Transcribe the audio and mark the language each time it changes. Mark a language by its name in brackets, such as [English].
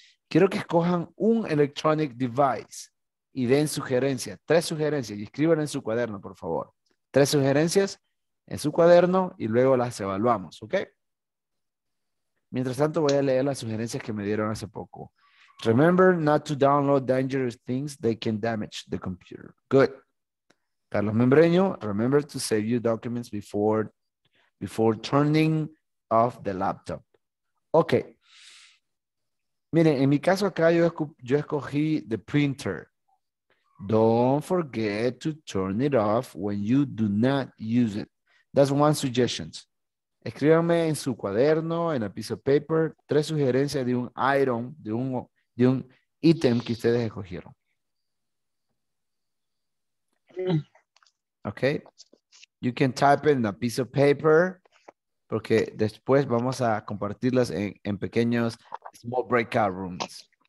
[Spanish] Quiero que escojan un [English] electronic device [Spanish] y den sugerencias, tres sugerencias, y escriban en su cuaderno, por favor. Tres sugerencias en su cuaderno y luego las evaluamos, ¿ok? Mientras tanto, voy a leer las sugerencias que me dieron hace poco. [English] Remember not to download dangerous things that can damage the computer. Good. Carlos Membreño, remember to save your documents before turning off the laptop. Okay. [Spanish] Miren, en mi caso acá yo escogí [English] the printer. Don't forget to turn it off when you do not use it. That's one suggestion. [Spanish] Escríbanme en su cuaderno, en [English] a piece of paper, [Spanish] tres sugerencias de un item, de un ítem que ustedes escogieron. [English] Okay. You can type in a piece of paper [Spanish] porque después vamos a compartirlas en pequeños [English] small breakout rooms.